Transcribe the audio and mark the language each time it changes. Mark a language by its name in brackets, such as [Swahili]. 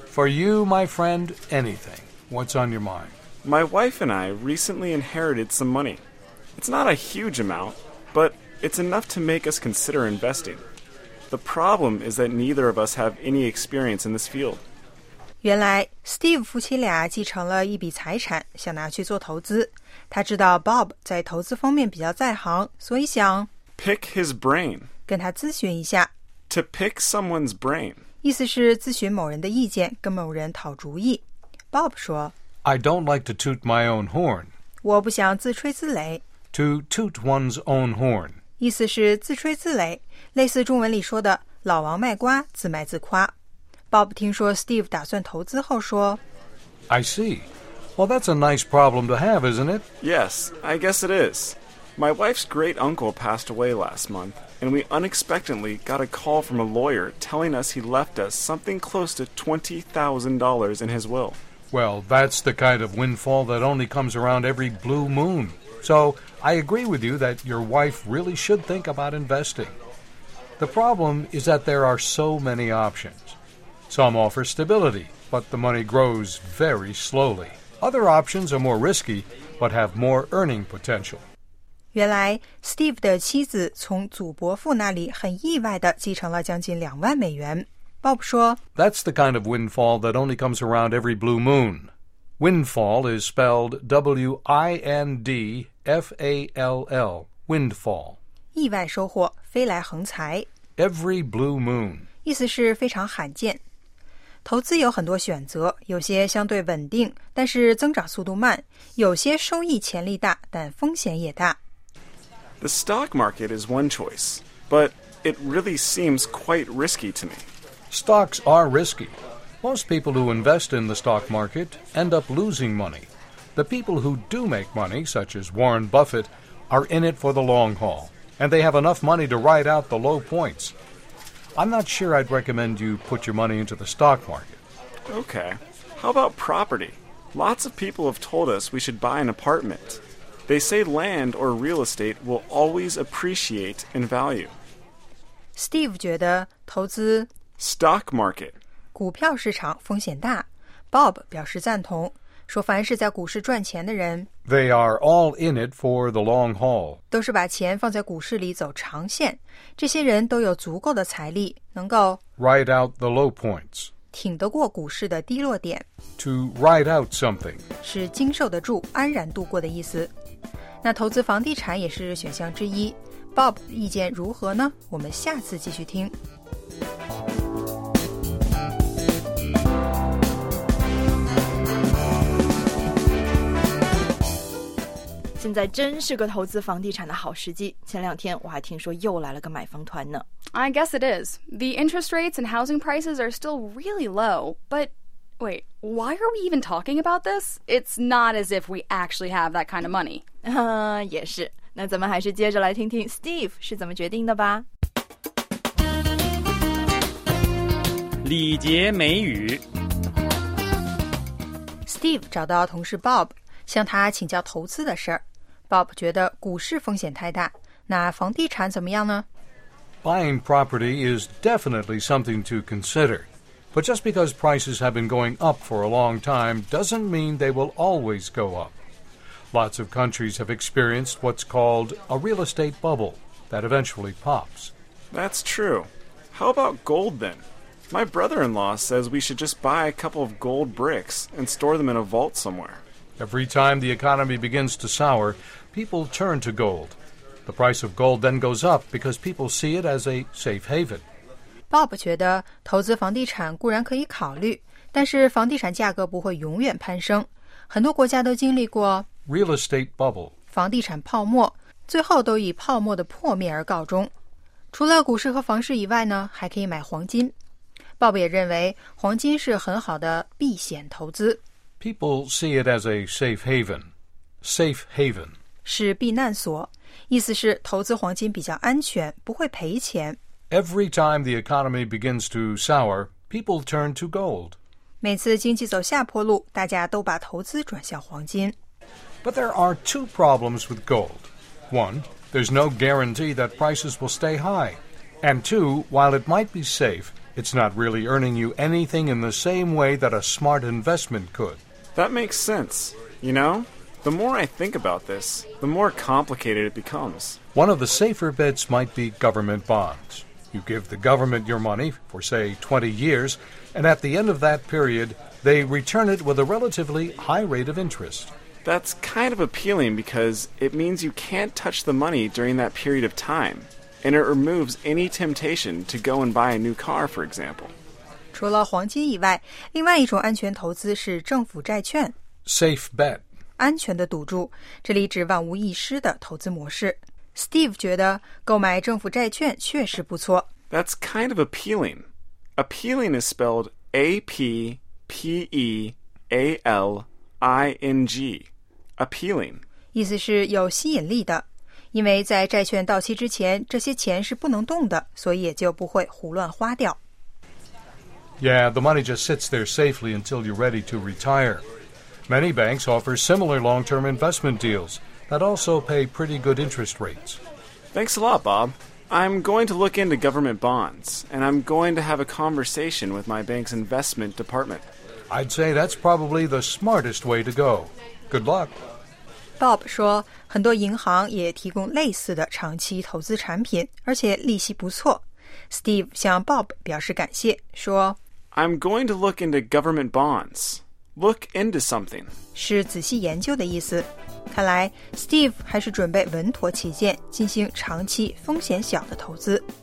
[English] For you, my friend, anything. What's on your mind? My wife and I recently inherited some money. It's not a huge amount, but it's enough to make us consider investing. The problem is that neither of us have any experience in this field. [Chinese] 原来 Steve 夫妻俩继承了一笔财产，想拿去做投资。他知道 Bob 在投资方面比较在行，所以想 [English] pick his brain， [Chinese] 跟他咨询一下。 [English] To pick someone's brain， [Chinese] 意思是咨询某人的意见，跟某人讨主意。 Bob 说 [English] ：“I don't like to toot my own horn。” [Chinese] 我不想自吹自擂。 [English] To toot one's own horn， [Chinese] 意思是自吹自擂，类似中文里说的“老王卖瓜，自卖自夸”。 Bob 听说 Steve 打算投资后说 [English] I see. Well, that's a nice problem to have, isn't it? Yes, I guess it is. My wife's great uncle passed away last month, and we unexpectedly got a call from a lawyer telling us he left us something close to $20,000 in his will. Well, that's the kind of windfall that only comes around every blue moon. So, I agree with you that your wife really should think about investing. The problem is that there are so many options. Some offer stability, but the money grows very slowly. Other options are more risky, but have more earning potential. [Chinese] 原来 Steve 的妻子从祖伯父那里很意外地继承了将近$20,000。 Bob 说 [English] That's the kind of windfall that only comes around every blue moon. Windfall is spelled W-I-N-D-F-A-L-L, windfall. [Chinese] 意外收获，飞来横财。 [English] Every blue moon. [Chinese] 意思是非常罕见。投资有很多选择，有些相对稳定，但是增长速度慢；有些收益潜力大，但风险也大。 [English] The stock market is one choice, but it really seems quite risky to me. Stocks are risky. Most people who invest in the stock market end up losing money. The people who do make money, such as Warren Buffett, are in it for the long haul, and they have enough money to ride out the low points. I'm not sure I'd recommend you put your money into the stock market. Okay. How about property? Lots of people have told us we should buy an apartment. They say land or real estate will always appreciate in value. [Chinese] Steve 觉得投资 [English] Stock market [Chinese] 股票市场风险大。 Bob 表示赞同，说凡是在股市赚钱的人 [English] They are all in it for the long haul. [Chinese] 都是把钱放在股市里走长线。这些人都有足够的财力，能够 [English] ride out the low points. [Chinese] 挺得过股市的低落点。 [English] To ride out something. [Chinese] 是经受得住，安然度过的意思。那投资房地产也是选项之一。 Bob 意见如何呢？我们下次继续听。现在真是个投资房地产的好时机。前两天我还听说又来了个买房团呢。 [English] I guess it is. The interest rates and housing prices are still really low. But wait, why are we even talking about this? It's not as if we actually have that kind of money. [Chinese] 也是。那咱们还是接着来听听 Steve 是怎么决定的吧。礼节美语。 Steve 找到同事 Bob， 向他请教投资的事。 Bob 觉得股市风险太大，那房地产怎么样呢？ [English] Buying property is definitely something to consider. But just because prices have been going up for a long time doesn't mean they will always go up. Lots of countries have experienced what's called a real estate bubble that eventually pops. That's true. How about gold then? My brother-in-law says we should just buy a couple of gold bricks and store them in a vault somewhere. Every time the economy begins to sour, people turn to gold. The price of gold then goes up because people see it as a safe haven. [Chinese] Bob 觉得投资房地产固然可以考虑，但是房地产价格不会永远攀升。很多国家都经历过 [English] real estate bubble [Chinese] 房地产泡沫，最后都以泡沫的破灭而告终。除了股市和房市以外呢，还可以买黄金。鲍勃也认为黄金是很好的避险投资。 [English] People see it as a safe haven. Safe haven [Chinese] 是避难所，意思是投资黄金比较安全，不会赔钱。 [English] Every time the economy begins to sour, people turn to gold. [Chinese] 每次经济走下坡路，大家都把投资转向黄金。 [English] But there are two problems with gold. One,There's no guarantee that prices will stay high. And two, while it might be safe, it's not really earning you anything in the same way that a smart investment could. That makes sense. You know, the more I think about this, the more complicated it becomes. One of the safer bets might be government bonds. You give the government your money for, say, 20 years, and at the end of that period, they return it with a relatively high rate of interest. That's kind of appealing because it means you can't touch the money during that period of time, and it removes any temptation to go and buy a new car, for example. [Chinese] 除了黄金以外，另外一种安全投资是政府债券。 [English] Safe bet. [Chinese] 安全的赌注，这里指万无一失的投资模式。 Steve 觉得购买政府债券确实不错。 [English] That's kind of appealing. Appealing is spelled A-P-P-E-A-L-I-N-G. Appealing. [Chinese] 意思是有吸引力的，因为在债券到期之前，这些钱是不能动的，所以也就不会胡乱花掉。 [English] Yeah, the money just sits there safely until you're ready to retire. Many banks offer similar long-term investment deals that also pay pretty good interest rates. Thanks a lot, Bob. I'm going to look into government bonds, and I'm going to have a conversation with my bank's investment department. I'd say that's probably the smartest way to go. Good luck. [Chinese] Bob 说很多银行也提供类似的长期投资产品，而且利息不错。 Steve 向 Bob 表示感谢，说 [English] I'm going to look into government bonds. Look into something [Chinese] 是仔细研究的意思。看来 Steve 还是准备稳妥起见，进行长期风险小的投资。